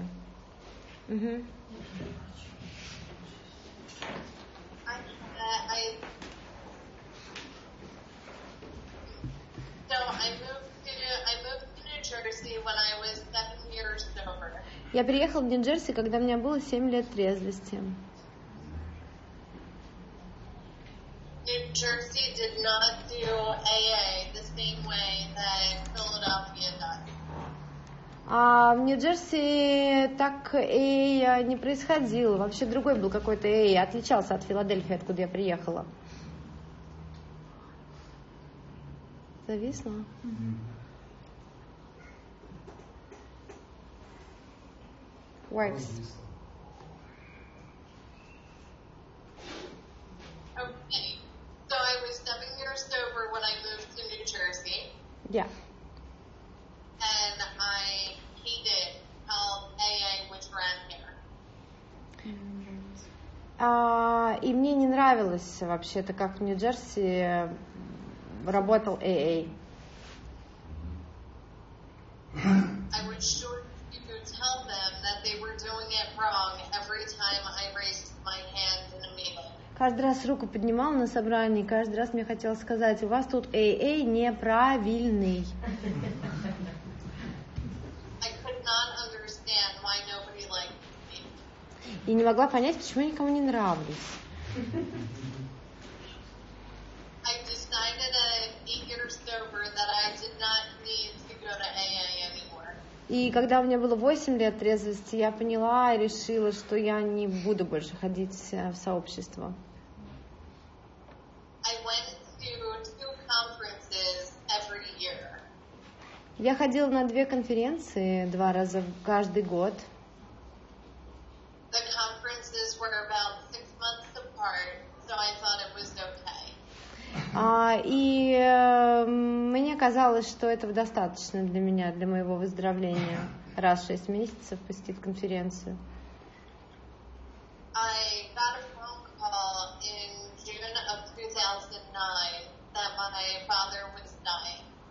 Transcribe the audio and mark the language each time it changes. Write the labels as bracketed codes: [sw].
[en] I moved to New Jersey when I was 7 years sober. [ru] Я переехала в Нью-Джерси, когда у меня было 7 лет трезвости. [en] Jersey did not do AA the same way that Philadelphia does. [ru] В Нью-Джерси так эй не происходило. Вообще другой был какой-то эй, отличался от Филадельфии, откуда я приехала. Зависла? [en] Works. Okay, so I was 7 years sober when I moved to New Jersey. Yeah. And I hated how AA was ran here. [ru] И мне не нравилось вообще-то, как в Нью-Джерси работал AA. [en] I was sure you could tell them that they were doing it wrong every time I raised my hand in a meeting. [ru] Каждый раз руку поднимал на собрании, каждый раз мне хотелось сказать, у вас тут AA неправильный. [en] I could not understand why nobody liked me. [ru] И не могла понять, почему я никому не нравлюсь. [en] I decided eight years sober that I did not need to go to AA anymore. [ru] И когда у меня было 8 лет трезвости, я поняла и решила, что я не буду больше ходить в сообщество. [en] I went to 2 conferences every year. [ru] Я ходила на 2 конференции 2 раза в каждый год. [en] The conferences were about 6 months apart, so I thought it was okay. [ru] Мне казалось, что этого достаточно для меня, для моего выздоровления. Раз в 6 месяцев посетить конференцию. [en] I got a phone call in June of 2009 that my father was dying.